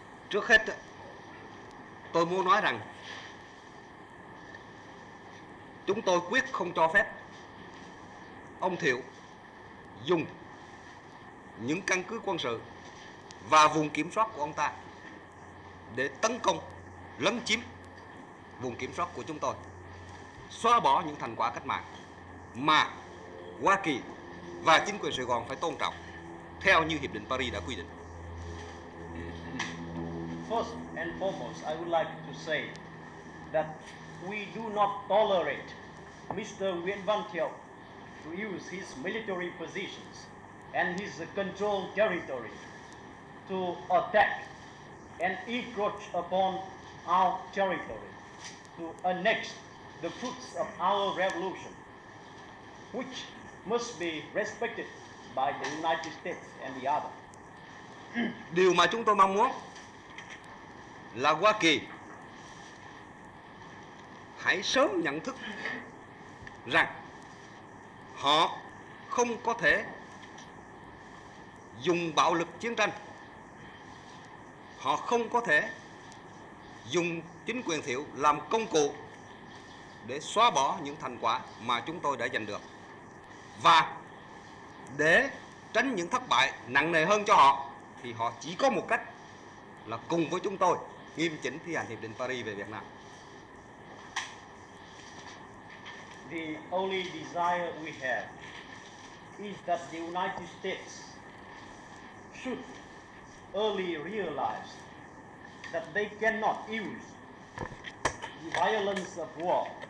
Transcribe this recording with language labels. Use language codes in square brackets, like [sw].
[vi] Trước hết, tôi muốn nói rằng chúng tôi quyết không cho phép ông Thiệu dùng những căn cứ quân sự và vùng kiểm soát của ông ta để tấn công, lấn chiếm vùng kiểm soát của chúng tôi, xóa bỏ những thành quả cách mạng mà Hoa Kỳ và chính quyền Sài Gòn phải tôn trọng theo như Hiệp định Paris đã quy định. [en] First and foremost, I would like to say that we do not tolerate Mr. Nguyen Van Thieu to use his military positions and his controlled territory to attack and encroach upon our territory, to annex the fruits of our revolution, which must be respected by the United States and the other. [vi] Điều mà chúng tôi mong muốn là Hoa Kỳ hãy sớm nhận thức rằng họ không có thể dùng bạo lực chiến tranh, họ không có thể dùng chính quyền Thiệu làm công cụ để xóa bỏ những thành quả mà chúng tôi đã giành được. Và để tránh những thất bại nặng nề hơn cho họ, thì họ chỉ có một cách là cùng với chúng tôi nghiêm chỉnh thi hành Hiệp định Paris về Việt Nam. [en] the only desire we have is that the United States should early realize that they cannot use the violence of war.